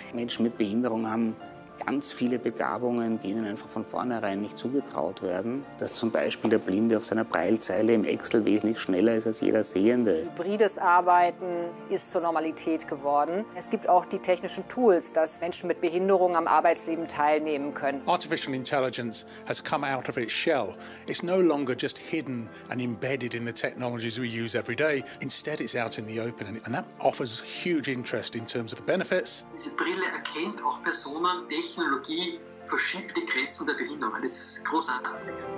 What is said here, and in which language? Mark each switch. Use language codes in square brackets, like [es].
[de] Menschen mit Behinderung haben ganz viele Begabungen, die ihnen einfach von vornherein nicht zugetraut werden. Dass zum Beispiel der Blinde auf seiner Braillezeile im Excel wesentlich schneller ist als jeder Sehende. Hybrides Arbeiten ist zur Normalität geworden. Es gibt auch die technischen Tools, dass Menschen mit Behinderung am Arbeitsleben teilnehmen können. [en] Artificial Intelligence has come out of its shell. It's no longer just hidden and embedded in the technologies we use every day. Instead it's out in the open and that offers huge interest in terms of the benefits. [de] Diese Brille erkennt auch Personen, Technologie verschiebt die Grenzen der Behinderung. Das ist großartig.